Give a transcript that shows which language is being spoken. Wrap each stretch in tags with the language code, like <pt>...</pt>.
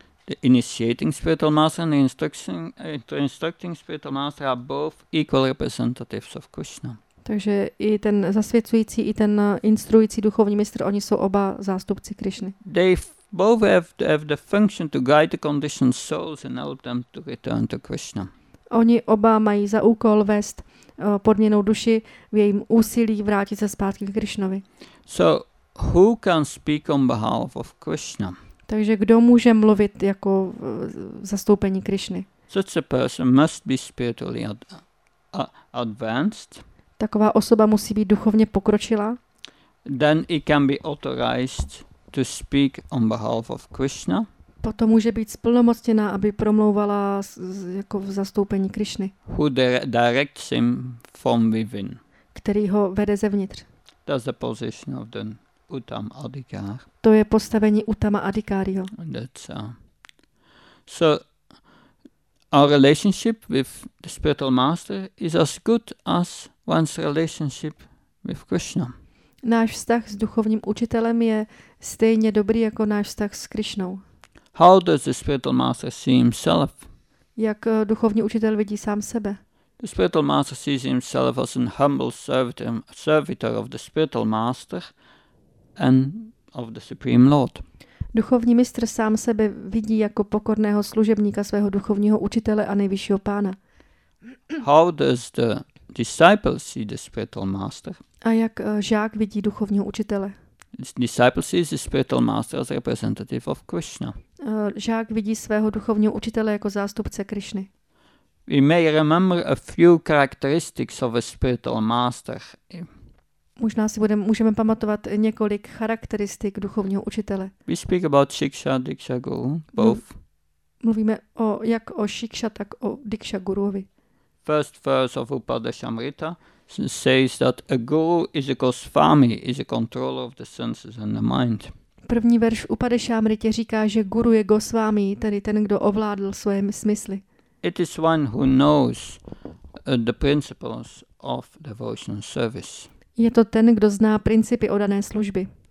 <en>The initiating spiritual master and the instructing spiritual master are both equal representatives of Krishna.</en> <cs>Takže i ten zasvěcující, i ten instruující duchovní mistr, oni jsou oba zástupci Krišny.</cs> <en>They both have the function to guide the conditioned souls and help them to return to Krishna.</en> <cs>Oni oba mají za úkol vést podměnou duši v jejím úsilí vrátit se zpátky k Krišnovi.</cs> <en>So who can speak on behalf of Krishna?</en> <cs>Takže kdo může mluvit jako zastoupení Krišny?</cs> <en>Such a person must be spiritually advanced.</en> <cs>Taková osoba musí být duchovně pokročilá.</cs> <en>Then he can be authorized to speak on behalf of Krishna.</en> <cs>Potom může být splnomocněná, aby promlouvala jako v zastoupení Krišny.</cs> <en>Who directs him from within.</en> <cs>Který ho vede zevnitř.</cs> <en>That's the position of the Uttama Adhikar.</en> <cs>To je postavení Uttama Adhikáriho.</cs> <en>So our relationship with the spiritual master is as good as one's relationship with Krishna.</en> <cs>Náš vztah s duchovním učitelem je stejně dobrý jako náš vztah s Krišnou.</cs> <en>How does the spiritual master see himself?</en> <cs>Jak duchovní učitel vidí sám sebe?</cs> <en>The spiritual master sees himself as a humble servitor of the spiritual master and of the supreme lord.</en> <cs>Duchovní mistr sám sebe vidí jako pokorného služebníka svého duchovního učitele a nejvyššího pána.</cs> <en>How does the disciple see the spiritual master?</en> <cs>A jak žák vidí duchovního učitele?</cs> <en>Disciple sees the spiritual master as representative of Krishna.</en> <cs>Žák vidí svého duchovního učitele jako zástupce Krišny.</cs> <en>We may remember a few characteristics of a spiritual master.</en> <cs>Možná si můžeme pamatovat několik charakteristik duchovního učitele.</cs> <en>We speak about Shiksha, Diksha, Guru, both.</en> <cs>Mluvíme o jak o Shiksha, tak o Diksha Guruovi.</cs> <en>First verse of Upadeshamrita says that a guru is a Gosvami, is a controller of the senses and the mind.</en> <cs>První verš v Upadeshamritě říká, že guru je Gosvami, tedy ten, kdo ovládl svoje smysly.</cs> <en>It is one who knows the principles of devotional service. Je to ten, kdo zná principy oddané služby.</en>